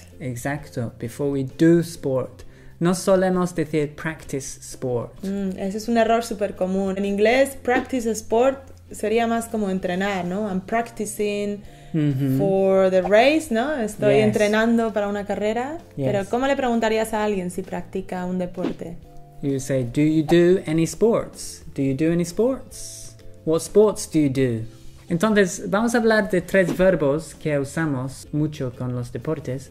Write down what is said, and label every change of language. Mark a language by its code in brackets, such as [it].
[es] Exacto, [en] before we do sport. [es] No solemos decir practice sport. Ese es un error súper común. En inglés, practice sport sería más como entrenar, ¿no? [en] I'm practicing... For the race, ¿no? [es] Estoy entrenando para una carrera. Yes. Pero, ¿cómo le preguntarías a alguien si practica un deporte? [en] You would say, do you do any sports? Do you do any sports? What sports do you do? [es] Entonces, vamos a hablar de tres verbos que usamos mucho con los deportes.